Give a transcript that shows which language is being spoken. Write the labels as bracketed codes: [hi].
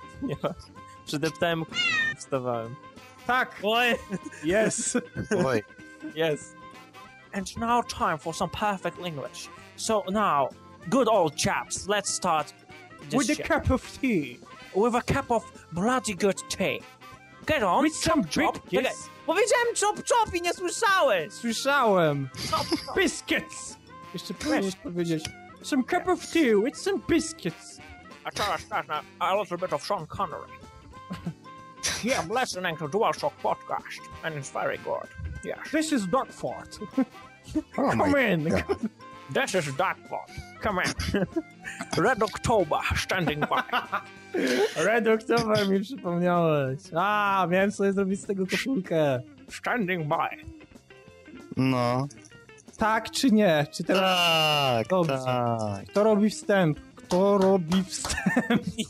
[pl] Nie, przydeptałem wstawałem. Tak! Oj! [en] Yes! Oj. Yes. And now time for some perfect English. So now, good old chaps, let's start this with a cup of tea. With a cup of bloody good tea. Get on. With some chop. Biscuits. [pl] Powiedziałem [en] chop chop [pl] i nie słyszałeś. Słyszałem. [en] Chop, chop. Biscuits. [pl] Jeszcze powinieneś powiedzieć. [en] Some cup of tea with some biscuits. [pl] A teraz też na [en] a little bit of [pl] Sean Connery. [en] Yeah, I'm listening to DualShock Podcast. And it's very good. Yeah. This is Darkfort. Come in. God. This is Darkfort. Come in. Red October standing by. [pl] Red October mi przypomniałeś. A, miałem sobie zrobić z tego koszulkę. [en] Standing by. [pl] No. Tak czy nie? Czy teraz... Tak, tak. Kto robi wstęp? Kto robi wstęp?